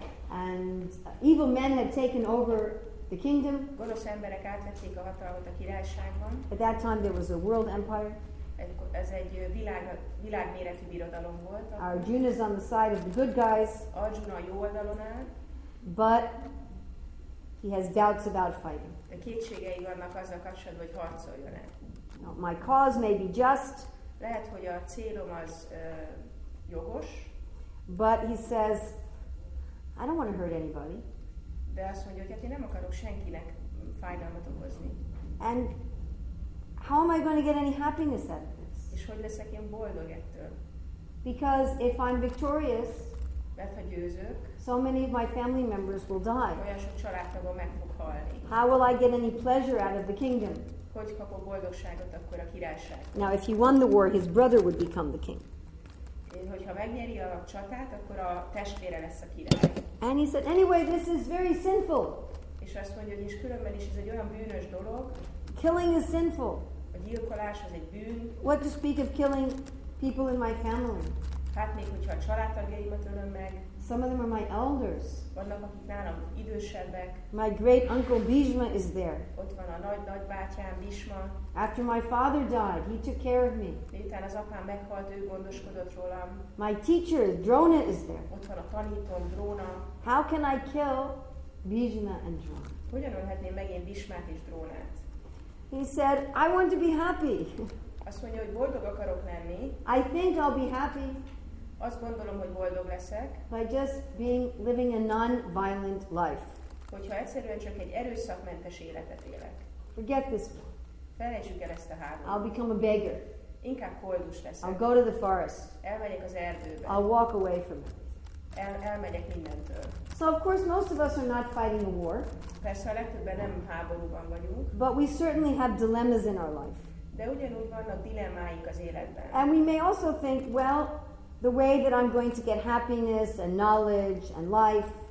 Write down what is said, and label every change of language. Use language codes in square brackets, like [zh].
[en] And evil men had taken over the kingdom. [hu] Gonosz emberek átvették a hatalmat a királyságban. [en] At that time there was a world empire. [hu] Ez egy világméretű birodalom volt. [en] Arjuna is on the side of the good guys. [hu] Arjuna a jó oldalon áll. [en] But he has doubts about fighting. [hu] De kétségei vannak azzal kapcsolatban, hogy harcoljon-e. [en] Now, my cause may be just. [hu] Lehet, hogy a célom az jogos. [en] But he says, I don't want to hurt anybody. [hu] De azt mondja, hogy hát én nem akarok senkinek fájdalmat okozni. [en] And how am I going to get any happiness out of this? [hu] És hogy leszek én boldog ettől? [en] Because if I'm victorious, [hu] mert ha győzök, [en] so many of my family members will die. [hu] Olyan sok családtagom meg fog halni. [en] How will I get any pleasure out of the kingdom? [hu] Hogy kapok boldogságot akkor a királyságban? [en] Now if he won the war, his brother would become the king. [hu] Hogyha megnyeri a csatát, akkor a testvére lesz a király. [en] And he said, anyway, this is very sinful. [hu] És azt mondja, hogy is különben is ez egy olyan bűnös dolog. [en] Killing is sinful. [hu] A gyilkolás az egy bűn. [en] What to speak of killing people in my family? [hu] Hát még, hogyha a családtagjaimat ölöm meg. [en] Some of them are my elders. [hu] Vannak, akik nálam idősebbek. [en] My great uncle Bhishma is there. [hu] Ott van a nagy nagybátyám Bhishma. [en] After my father died, he took care of me. [hu] Miután az apám meghalt, ő gondoskodott rólam. [en] My teacher Drona is there. [hu] Ott van a tanítom Drona. [en] How can I kill Bhishma and Drona? [hu] Hogyan ölhetném meg én Bhishmát és Drónát? [en] He said, I want to be happy. [hu] Azt mondja, hogy boldog akarok lenni. [en] I think I'll be happy. [hu] Azt gondolom, hogy boldog leszek. [en] By just being living a non-violent life. [hu] Hogyha egyszerűen csak egy erőszakmentes életet élek. [en] Forget this. [hu] Felejtsük el ezt a háborút. [en] I'll become a beggar. [hu] Inkább koldus leszek. [en] I'll go to the forest. [hu] Elmegyek az erdőbe. [en] I'll walk away from it. [hu] Elmegyek mindentől. [en] So of course most of us are not fighting a war. [hu] Persze a legtöbben nem háborúban vagyunk. [en] But we certainly have dilemmas in our life. [hu] De ugyanúgy vannak dilemmáink az életben. [en] And we may also think, well, the way that I'm going to get happiness and knowledge and life.